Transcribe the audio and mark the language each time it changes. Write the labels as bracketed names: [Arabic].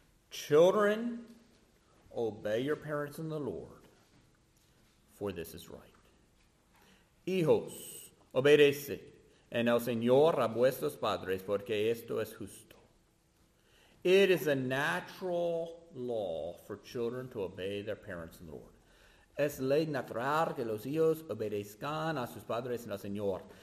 [English] Children, obey your parents in the Lord, for this is right. [Spanish] Hijos, obedece en el Señor a vuestros padres, porque esto es justo. [English] It is a natural law for children to obey their parents in the Lord. [Spanish] Es ley natural que los hijos obedezcan a sus padres en el Señor.